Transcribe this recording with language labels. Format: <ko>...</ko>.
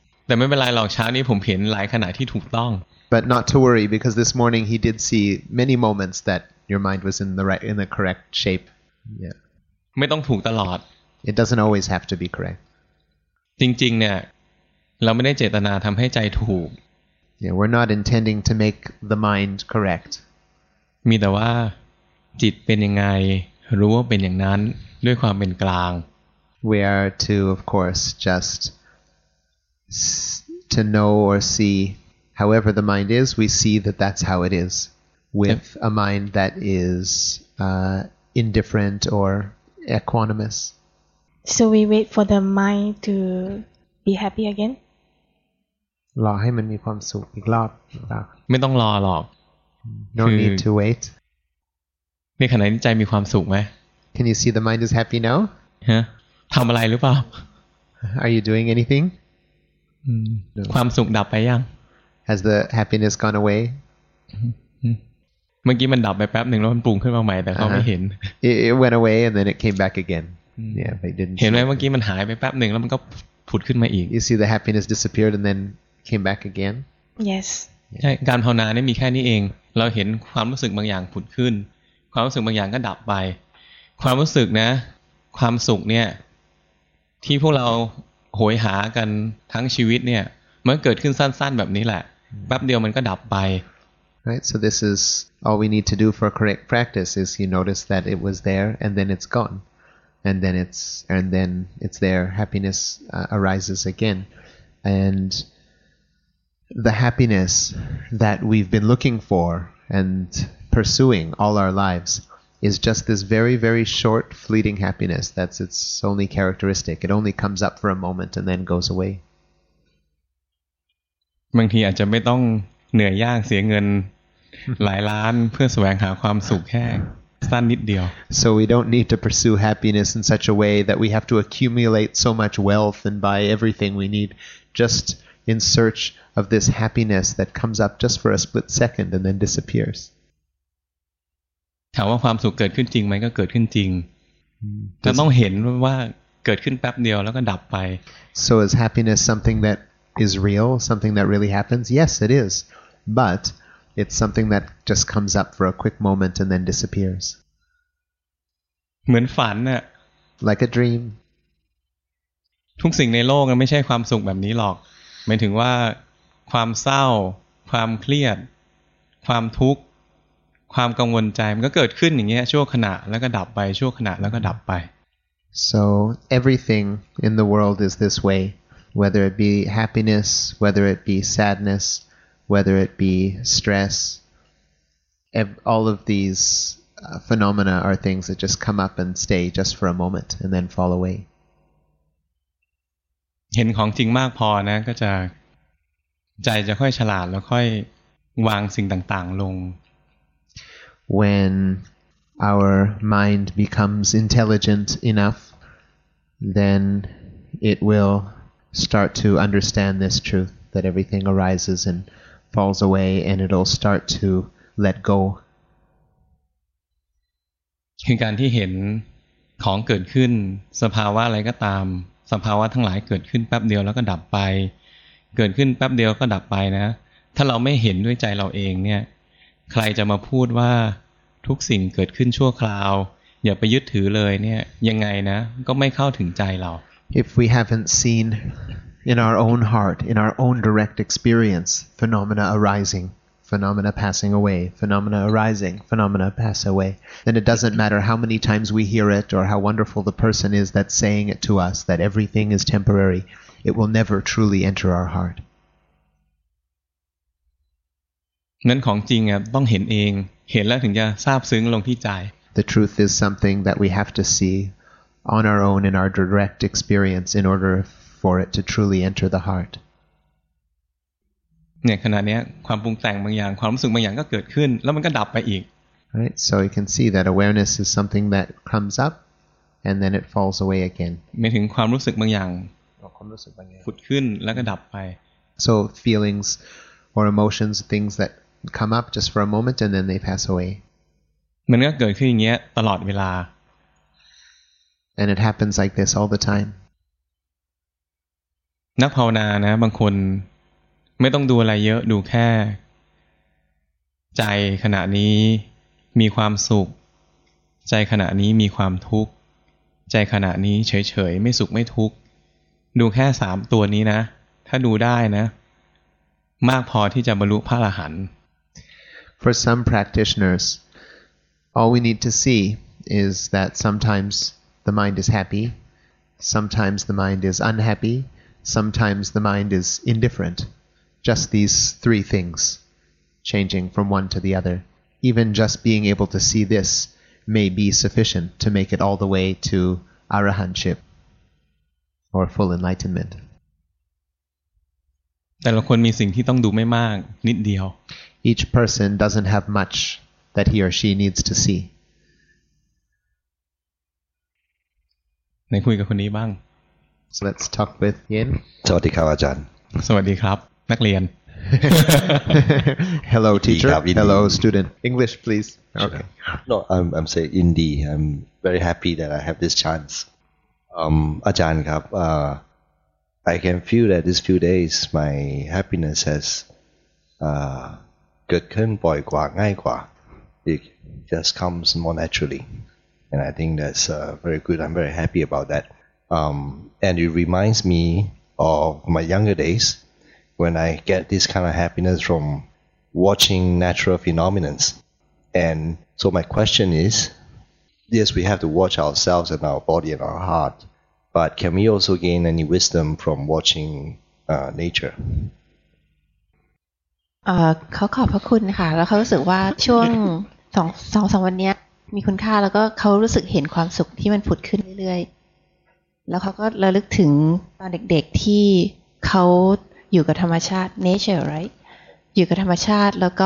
<th>แต่ไม่เป็นไรหรอกเช้านี้ผมเห็นหลายขณะที่ถูกต้อง</th> <en>But not to worry because this morning he did see many moments that your mind was in the correct shape. Yeah.</en> <th>ไม่ต้องถูกตลอด</th> <en>It doesn't always have to be correct.</en> <th>จริงๆเนี่ยเราไม่ได้เจตนาทำให้ใจถูก</th> <en>Yeah, we're not intending to make the mind correct.</en> <th>มีแต่ว่าจิตเป็นยังไงรู้ว่าเป็นอย่างนั้นด้วยความเป็นกลาง</th> <en>We are to, of course, just to know or see however the mind is. We see that that's how it is with a mind that is indifferent or equanimous. So we wait for the mind to be happy again.</en> <th>รอให้มันมีความสุขอีกรอบ ไม่ต้องรอหรอก</th> <en>No need to wait</en> <th>มีขณะนี้ใจมีความสุขไหม</th> <en>Can you see the mind is happy now</en> <th>ฮะทำอะไรหรือเปล่า</th> <en>Are you doing anything</en> <th>ความสุขดับไปยัง</th> <en>Has the happiness gone away?</en> <th>เมื่อกี้มันดับไปแป๊บหนึ่งแล้วมันปรุงขึ้นมาใหม่แต่เขาไม่เห็น</th> <en>It went away and then it came back again. Yeah, but it didn't.</en> <th>เห็นไหมเมื่อกี้มันหายไปแป๊บหนึ่งแล้วมันก็ผุดขึ้นมาอีก</th> <en>You see the happiness disappeared and then came back again? Yes.</en> <th>ใช่การภาวนาเนี่ยมีแค่นี้เองเราเห็นความรู้สึกบางอย่างผุดขึ้นความรู้สึกบางอย่างก็ดับไปความรู้สึกนะความสุขเนี่ยที่พวกเราโหยหากันทั้งชีวิตเนี่ยมันเกิดขึ้นสั้นๆแบบนี้แหละแป๊บเดียวมันก็ดับไป</th> <en>Right so this is all we need to do for correct practice is you notice that it was there and then it's gone and then it's there happiness arises again and the happiness that we've been looking for and pursuing all our lives is just this very very short fleeting happiness that's its only characteristic it only comes up for a moment and then goes away</en> <th>บางทีอาจจะไม่ต้องเหนื่อยยากเสียเงินหลายล้านเพื่อแสวงหาความสุขแค่สั้นนิดเดียว</th> <en>so we don't need to pursue happiness in such a way that we have to accumulate so much wealth and buy everything we need just in search of this happiness that comes up just for a split second and then disappears</en> <th>ถามว่าความสุขเกิดขึ้นจริงไหมก็เกิดขึ้นจริงจะต้องเห็นว่าเกิดขึ้นแป๊บเดียวแล้วก็ดับไป</th> <en>So is happiness something that is real, something that really happens? Yes, it is. But it's something that just comes up for a quick moment and then disappears.</en> <th>เหมือนฝันอะ</th> <en>Like a dream.</en> <th>ทุกสิ่งในโลกไม่ใช่ความสุขแบบนี้หรอกหมายถึงว่าความเศร้าความเครียดความทุกข์ความกังวลใจมันก็เกิดขึ้นอย่างเงี้ยชั่วขณะแล้วก็ดับไปชั่วขณะแล้วก็ดับไป</th> <en>So everything in the world is this way whether it be happiness whether it be sadness whether it be stress all of these phenomena are things that just come up and stay just for a moment and then fall away</en> <th>เห็นของจริงมากพอนะก็จะใจจะค่อยฉลาดแล้วค่อยวางสิ่งต่างๆลง</th> <en>When our mind becomes intelligent enough, then it will start to understand this truth that everything arises and falls away, and it'll start to let go.</en> <th>คือการที่เห็นของเกิดขึ้นสภาวะอะไรก็ตามสภาวะทั้งหลายเกิดขึ้นแป๊บเดียวแล้วก็ดับไปเกิดขึ้นแป๊บเดียวก็ดับไปนะถ้าเราไม่เห็นด้วยใจเราเองเนี่ยใครจะมาพูดว่าทุกสิ่งเกิดขึ้นชั่วคราวอย่าไปยึดถือเลยเนี่ยยังไงนะก็ไม่เข้าถึงใจเรา</th> <en>If we haven't seen in our own heart in our own direct experience phenomena arising phenomena passing away phenomena arising phenomena pass away then it doesn't matter how many times we hear it or how wonderful the person is that's saying it to us that everything is temporary it will never truly enter our heart</en> <th>นั้นของจริงอ่ะต้องเห็นเองเห็นแล้วถึงจะซาบซึ้งลงที่ใจ</th> <en>The truth is something that we have to see on our own in our direct experience in order for it to truly enter the heart</en> <th>เนี่ยขณะเนี้ยความปรุงแต่งบางอย่างความรู้สึกบางอย่างก็เกิดขึ้นแล้วมันก็ดับไปอีก</th> <en>Right so you can see that awareness is something that comes up and then it falls away again</en> <th>หมายถึงความรู้สึกบางอย่าง ความรู้สึกบางอย่าง ผุดขึ้นแล้วก็ดับไป</th> <en>So feelingsOr emotions, things that come up just for a moment and then they pass away.</en> <th>มันก็เกิดขึ้นอย่างเงี้ยตลอดเวลา</th> <en>And it happens like this all the time.</en> <th>นักภาวนานะบางคนไม่ต้องดูอะไรเยอะดูแค่ใจขณะนี้มีความสุขใจขณะนี้มีความทุกข์ใจขณะนี้เฉยๆไม่สุขไม่ทุกข์ดูแค่3ตัวนี้นะถ้าดูได้นะมากพอที่จะบรรลุพระอรหันต์</th> <en>For some practitioners all we need to see is that sometimes the mind is happy sometimes the mind is unhappy sometimes the mind is indifferent just these three things changing from one to the other even just being able to see this may be sufficient to make it all the way to arahantship or full enlightenment</en> <th>แต่ละคนมีสิ่งที่ต้องดูไม่มากนิดเดียว</th> <en>Each person doesn't have much that he or she needs to see.</en> <th>ไหนคุยกับคนนี้บ้าง</th> <en>So let's talk with Yin.</en> <th>สวัสดีครับอาจารย์ สวัสดีครับนักเรียน</th> <en>Hello teacher Hello student English please okay no I'm saying indeed I'm very happy that I have this chance</en> <th>อาจารย์ครับ</th> <en>I can feel that these few days my happiness has</en> <th>เกิดขึ้นบ่อยกว่าง่ายกว่า</th> <en>it just comes more naturally and I think that's very good I'm very happy about thatAnd it reminds me of my younger days when I get this kind of happiness from watching natural phenomena. And so my question is, yes, we have to watch ourselves and our body and our heart, but can we also gain any wisdom from watching nature?</en> <th>ขอขอบพระคุณค่ะแล้วเขารู้สึกว่าช่วง2-3วันนี้มีคุณค่าแล้วก็เขารู้สึกเห็นความสุขที่มันผุดขึ้นเรื่อยๆแล้วเขาก็ระลึกถึงตอนเด็กๆที่เขาอยู่กับธรรมชาติ</th> <en>nature right</en> <th>อยู่กับธรรมชาติแล้วก</th>